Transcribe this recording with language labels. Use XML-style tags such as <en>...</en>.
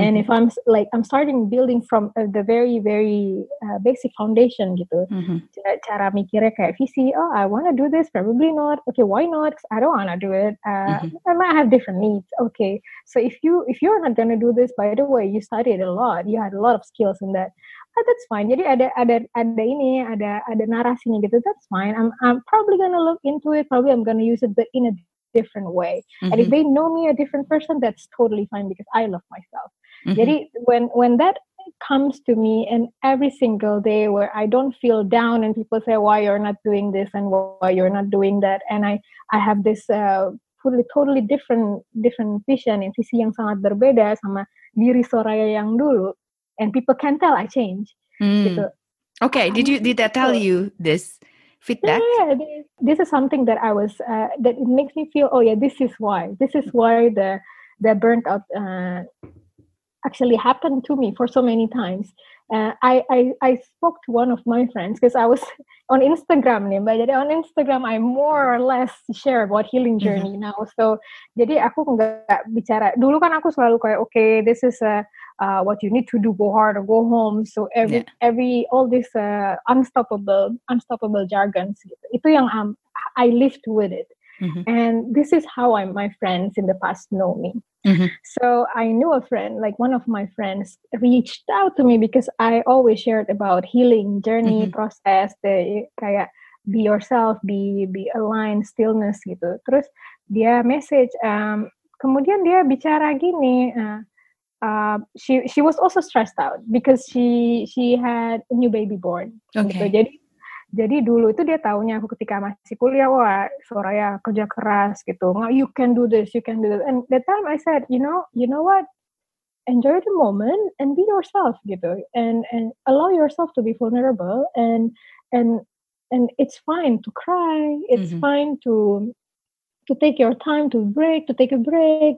<en>And if I'm like, I'm starting building from the very, very basic foundation gitu. Mm-hmm.</en> <id>Cara mikirnya kayak visi,</id> <en>oh, I want to do this, probably not. Okay, why not? Because I don't want to do it. Mm-hmm. I might have different needs. Okay, so if you're not going to do this, by the way, you studied a lot. You had a lot of skills in that. Oh, that's fine.</en> <id>Jadi ada ini, ada narasinya gitu.</id> <en>That's fine. I'm probably gonna look into it. Probably I'm gonna use it, but in a different way. Mm-hmm. And if they know me a different person, that's totally fine because I love myself. Mm-hmm. Jadi when that comes to me, and every single day where I don't feel down, and people say why you're not doing this and why you're not doing that, and I have this totally different vision and</en> <id>visi yang sangat berbeda sama diri Soraya yang dulu.</id> <en>And people can tell I change. Mm. Okay, did that tell you this feedback? Yeah, this is something that I was, that it makes me feel, oh yeah, this is why. This is why the burnout actually happened to me for so many times. I spoke to one of my friends because I was on Instagram nih, but on Instagram I more or less share about healing journey mm-hmm. now.</en> <id>So, jadi aku nggak bicara. Dulu kan aku selalu kayak,</id> <en>okay, this is what you need to do, go hard or go home. So all this unstoppable jargons. Itu yang I lived with it, mm-hmm. and this is how my friends in the past know me. Mm-hmm. So I knew a friend, like one of my friends reached out to me because I always shared about healing journey, mm-hmm. process, the kayak be yourself, be aligned, stillness gitu.</en> <id>Terus dia message, kemudian dia bicara gini,</id> <en>she was also stressed out because she had a new baby born. Okay. Gitu.</en> <id>Jadi dulu itu dia taunya aku ketika masih kuliah, wah, Soraya kerja keras gitu.</id> <en>You can do this, you can do this. And that time I said, you know what? Enjoy the moment and be yourself gitu. And allow yourself to be vulnerable. And it's fine to cry. It's mm-hmm. fine to take your time to take a break.</en>